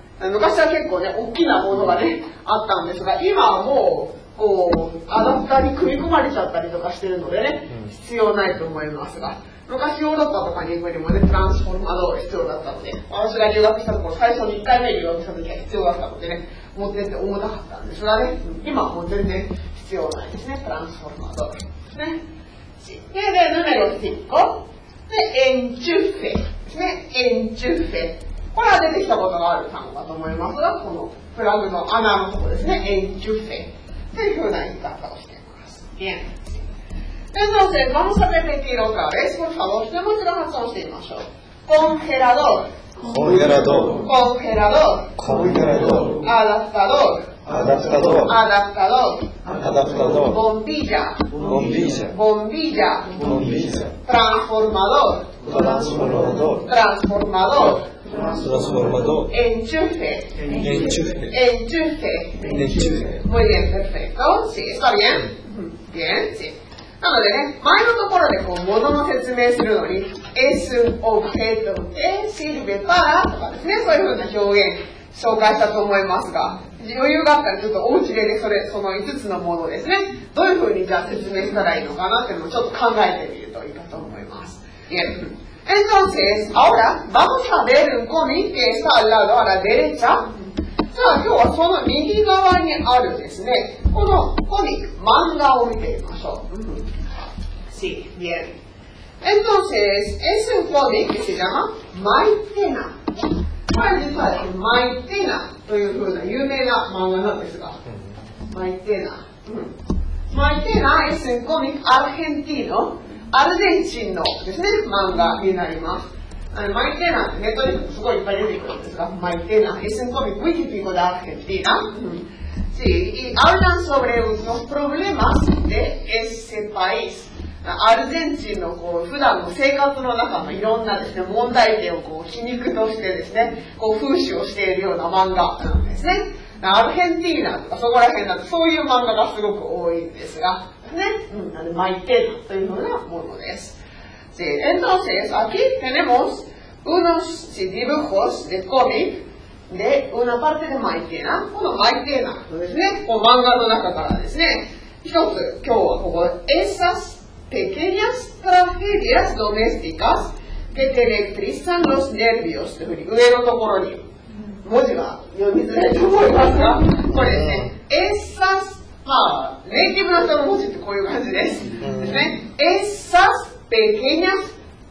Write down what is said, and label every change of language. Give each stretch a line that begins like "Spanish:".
Japanese: 昔は結構ね大きなものがねあったんですが、今はもうこうアダプターに組み込まれちゃったりとかしてるのでね、必要ないと思いますが、昔ヨーロッパとか日本にもねトランスフォーマードが必要だったので、私が留学した時、最初に1回目に留学した時は必要だったのでね、持ってって重たかったんですがね、今はもう全然必要ないですね、トランスフォーマードね。で、ヌメロ1個エンチュフェですね。エンチュフェ、これは出てきたことがある単語だと思いますが、このプラグの穴のところですね、エンチュフェというふうな言い方をしています。
Spanish: Bien. Entonces, vamos a repetir otra vez, por favor. De modo que vamos a hacer más o congelador. Congelador. Congelador. Congelador. Adaptador. Adaptador. Adaptador. Adaptador. Bombilla. Bombilla. Bombilla. Bombilla. Transformador. Transformador. Transformador. Transformador. Enchufe. Enchufe. Enchufe. Enchufe. Muy bien, perfecto. Sí, está bien. Bien, sí.
Japanese: なのでね、前のところでこう物の説明するのに、
Spanish: es un objeto que sirve para
Japanese: とかですね、そういうふうな表現紹介したと思いますが、余裕があったらちょっとお家でね、それ、その5つのものですね、どういうふうにじゃあ説明したらいいのかなっていうのをちょっと考えてみるといいかと思います。
Spanish: Entonces, ahora vamos a ver un cómic que está al lado a la derecha.
Japanese: さあ、今日はその右側にあるですね、このコミック、漫画を見てみましょう。
Spanish: Sí, bien. Entonces, es un cómic que se llama Maitena.
Japanese: これ実はMaitenaというふうな有名な漫画なんですが、Maitena。
Spanish: Maitena es un cómic argentino.
Japanese: アルゼンチンのですね、漫画になります。マイテナってネットにすごいいっぱい出てくるんですが、マイテナ、エスンコミック、ウィキピコでアルゼンチン。
Spanish: Sí, y hablan sobre los problemas de ese país。
Japanese: アルゼンチンのこう普段の生活の中のいろんなですね、問題点をこう皮肉としてですね、こう風刺をしているような漫画なんですね。アルゼンティーナとかそこら辺だとそういう漫画がすごく多いんですが、ね、なんでマイテナというようなものです。
Spanish: Sí, entonces, aquí tenemos unos dibujos de cómic de una parte de マイテナ。
Japanese: このマイテナですね、この漫画の中からですね、一つ今日はここ、
Spanish: esas pequeñas tragedias domésticas que te electrizan los nervios
Japanese: というふうに上のところに文字が読みづらいと思いますが、これですね、esas、まあ、ネイティブの人の文字ってこういう感じです。ですね、
Spanish: esas pequeñas